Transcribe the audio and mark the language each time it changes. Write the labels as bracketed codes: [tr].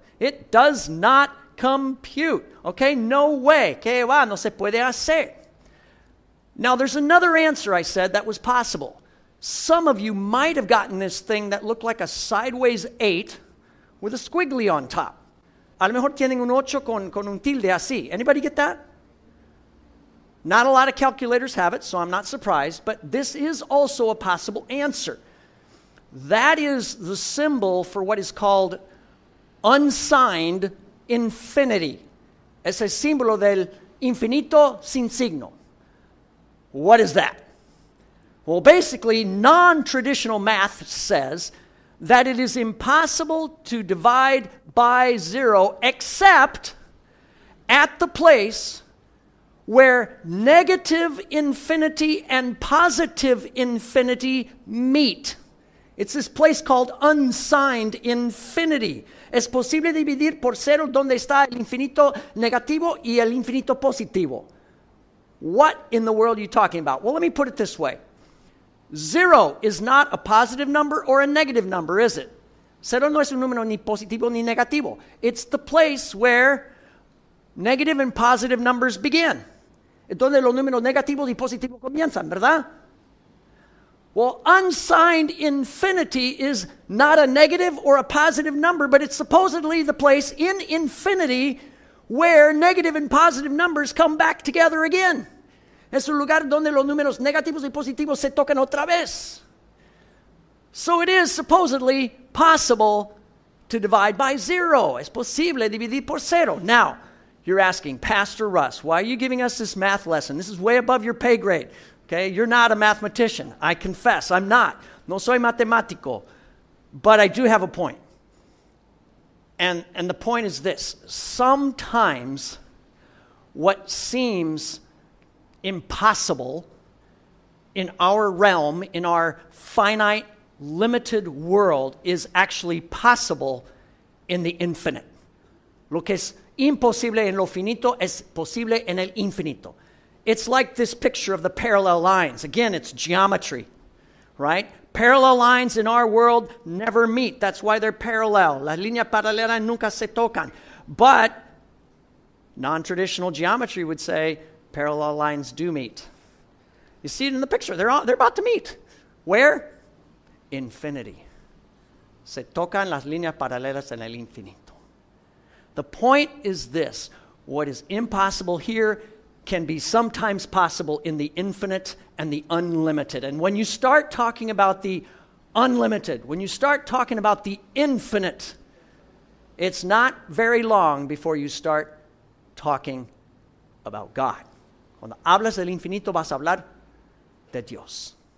[en] It does not compute. Okay? No way. [es] Que va, no se puede hacer. [en] Now, there's another answer I said that was possible. Some of you might have gotten this thing that looked like a sideways 8 with a squiggly on top. [es] A lo mejor tienen un 8 con un tilde así. [en] Anybody get that? Not a lot of calculators have it, so I'm not surprised, but this is also a possible answer. That is the symbol for what is called unsigned infinity. [es] Es el símbolo del infinito sin signo. [en] What is that? Well, basically, non-traditional math says that it is impossible to divide by zero except at the place where negative infinity and positive infinity meet. It's this place called unsigned infinity. [es] Es posible dividir por cero donde está el infinito negativo y el infinito positivo. [en] What in the world are you talking about? Well, let me put it this way. Zero is not a positive number or a negative number, is it? [es] Cero no es un número ni positivo ni negativo. [en] It's the place where negative and positive numbers begin. [es] Es donde los números negativos y positivos comienzan, ¿verdad? [en] Well, unsigned infinity is not a negative or a positive number, but it's supposedly the place in infinity where negative and positive numbers come back together again. [es] Es un lugar donde los números negativos y positivos se tocan otra vez. [en] So it is supposedly possible to divide by zero. [es] Es posible dividir por cero. [en] Now, you're asking, Pastor Russ, why are you giving us this math lesson? This is way above your pay grade. Okay, you're not a mathematician. I confess, I'm not. [es] No soy matemático. [en] But I do have a point. And the point is this. Sometimes what seems impossible in our realm, in our finite, limited world, is actually possible in the infinite. [es] Lo que es imposible en lo finito es posible en el infinito. [en] It's like this picture of the parallel lines. Again, it's geometry, right? Parallel lines in our world never meet. That's why they're parallel. [es] Las líneas paralelas nunca se tocan. [en] But non-traditional geometry would say parallel lines do meet. You see it in the picture. They're about to meet. Where? Infinity. [es] Se tocan las líneas paralelas en el infinito. [en] The point is this. What is impossible here can be sometimes possible in the infinite and the unlimited. And when you start talking about the unlimited, when you start talking about the infinite, it's not very long before you start talking about God. [es] Cuando hablas del infinito, vas a hablar de Dios.